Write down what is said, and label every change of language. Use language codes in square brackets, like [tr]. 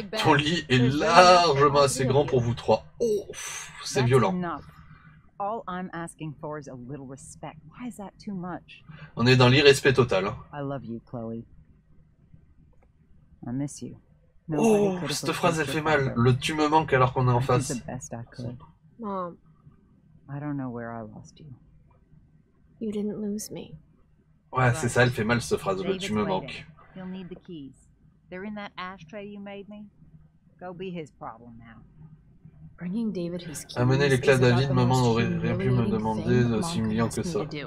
[fr] Ton lit est largement assez grand pour vous trois. Oh, c'est violent. [en] All I'm asking for is a little respect. Why is that too much? [fr] On est dans l'irrespect total. [en] I love you, Chloe. I miss you. [fr] Oh, cette phrase, elle fait mal. Le tu me manques alors qu'on est en face. [en] Mom, I don't know where I lost you. You didn't lose me. [fr] Ouais, c'est ça, elle fait mal cette phrase, là, tu me manques. [en] You'll need the keys. They're in that ashtray you made me. Go be his problem now. Bringing David his keys. [fr] Amener les clés à David, maman n'aurait rien pu me demander d'aussi humiliant que ça.